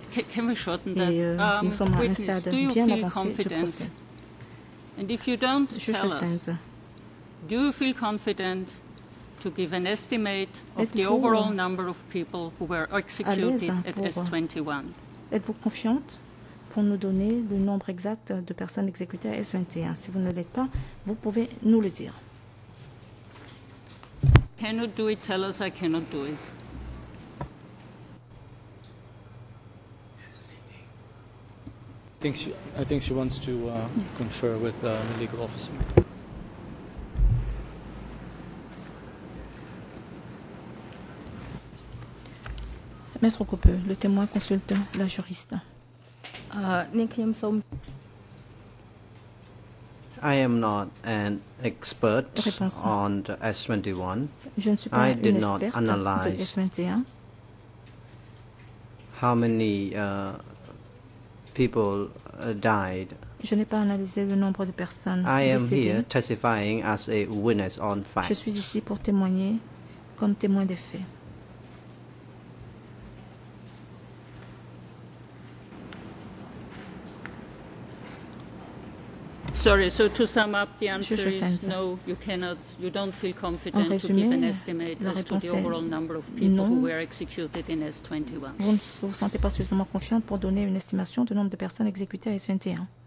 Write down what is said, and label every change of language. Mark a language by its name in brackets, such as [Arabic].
[English] can we shorten that? Witness, do you feel confident? And if you don't, tell us. Do you feel confident to give an estimate of the overall number of people who were executed at S21? [French] Êtes-vous confiante pour nous donner le nombre exact de personnes exécutées à S21? Si vous ne l'êtes pas, vous pouvez nous le dire. [English] Cannot do it, tell us I cannot do it. I think she wants to confer with the legal officer. [French] Maître Coupeau, le témoin consulte la juriste. [English] I am not an expert on the S21. [French] Je ne suis pas [English] I did not analyze how many people died. [French] Je n'ai pas analysé le nombre de personnes [English] I am [French] décédées. [English] Here testifying as a witness on facts. [French] Je suis ici pour témoigner comme témoin des faits. [English] Sorry, so to sum up, the answer is no, you cannot, you don't feel confident to give an estimate as to the overall number of people [French] non. [English] who were executed in S21. [French] Vous ne vous sentez pas suffisamment confiante pour donner une estimation du nombre de personnes exécutées à S21.